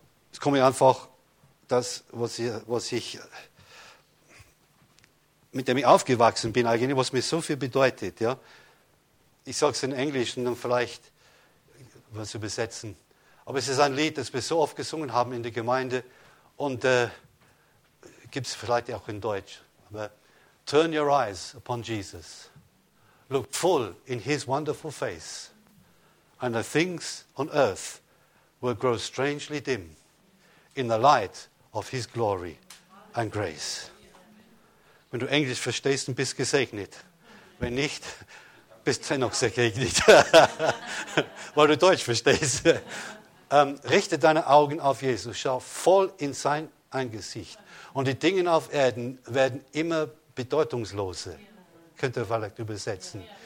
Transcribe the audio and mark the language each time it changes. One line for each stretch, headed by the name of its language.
German: Jetzt komme ich einfach das, was ich mit dem ich aufgewachsen bin, eigentlich, was mir so viel bedeutet. Ja? Ich sage es in Englisch und dann vielleicht was übersetzen. Aber es ist ein Lied, das wir so oft gesungen haben in der Gemeinde und gibt es vielleicht auch in Deutsch. Aber,
English: turn your eyes upon Jesus. Look full in his wonderful face. And the things on earth will grow strangely dim in the light of his glory and grace.
German: Wenn du Englisch verstehst, dann bist du gesegnet. Wenn nicht, bist du dennoch gesegnet. Weil du Deutsch verstehst. Richte deine Augen auf Jesus, schau voll in sein Angesicht. Und die Dinge auf Erden werden immer bedeutungsloser, könnt ihr vielleicht übersetzen.